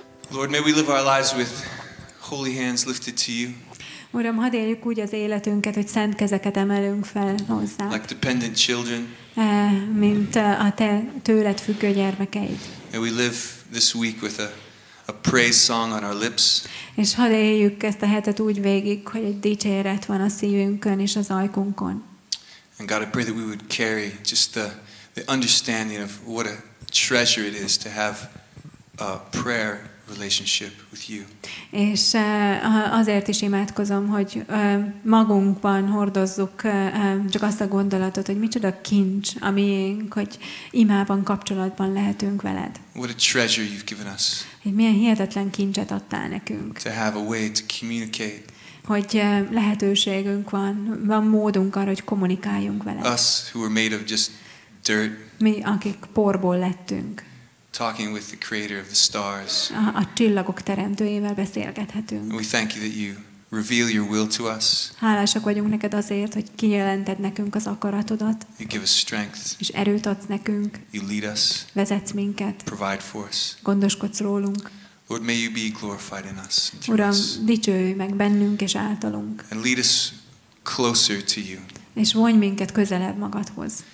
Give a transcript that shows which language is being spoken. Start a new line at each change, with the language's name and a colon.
English: Lord, may we live our lives with holy hands lifted to You.
Hungarian: Uram, hadd éljük úgy az életünket, hogy szent kezeket emelünk fel hozzád.
English: Like dependent children.
Hungarian: Mint a te tőled függő gyermekeid.
English: And we live this week with a praise song on our lips.
Hungarian: És hadd éljük ezt a hetet úgy végig, hogy egy dicséret van a szívünkön és az ajkunkon.
English: And God, I pray that we would carry just the understanding of what a treasure it is to have a prayer relationship with You.
Hungarian: És azért is imádkozom, hogy magunkban hordozzuk csak azt a gondolatot, hogy micsoda kincs a miénk, hogy imában kapcsolatban lehetünk veled.
English: What a treasure You've given us.
Hungarian: Hogy milyen hihetetlen kincset adtál nekünk.
English: To have a way to communicate.
Hungarian: Hogy lehetőségünk van, van módunk arra, hogy kommunikáljunk veled.
English: Us who were made of just dirt.
Hungarian: Mi, akik porból lettünk.
English: Talking with the creator of the stars.
Hungarian: A csillagok teremtőjével beszélgethetünk.
English: We thank You that You reveal Your will to us.
Hungarian: Hálásak vagyunk neked azért, hogy kijelented nekünk az akaratodat.
English: You give us strength.
Hungarian: És erőt adsz nekünk.
English: You lead us.
Hungarian: Vezetsz minket.
English: Provide for us.
Hungarian: Gondoskodsz rólunk.
English: Lord, may You be glorified in us.
Hungarian: Uram, dicsőj meg bennünk és általunk.
English: And lead us closer to You.
Hungarian: És vonj minket közelebb magadhoz.